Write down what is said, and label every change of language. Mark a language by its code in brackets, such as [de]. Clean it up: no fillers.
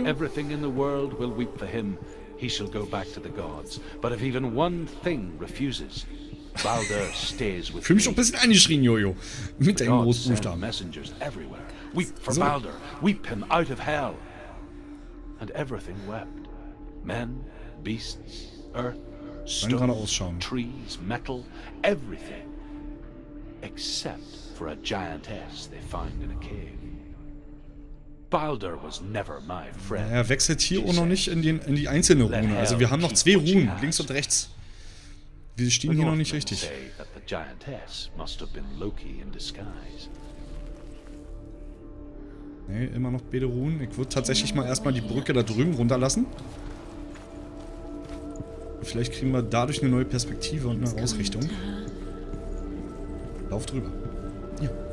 [en] If everything in the world will weep for him, he shall go back to the gods. But if even one thing refuses, Balder stays with [de] him. Fühl mich doch ein bisschen eingeschrien, Jojo. Mit deinem großen Buchstaben. [en] Messengers everywhere. Weep for Balder. Weep him out of hell. And everything wept. Men, beasts, earth, stones, trees, metal, everything. Except for a giantess they find in a cave. Balder was never my friend. [de] Er wechselt hier auch noch nicht in die einzelne Rune. Also wir haben noch zwei Runen, links und rechts. Wir stehen hier noch nicht richtig. [en] The giantess must have been Loki in disguise. [de] Nee, immer noch beide Runen. Ich würde tatsächlich mal erstmal die Brücke da drüben runterlassen. Vielleicht kriegen wir dadurch eine neue Perspektive und eine Ausrichtung. Lauf drüber. Ja.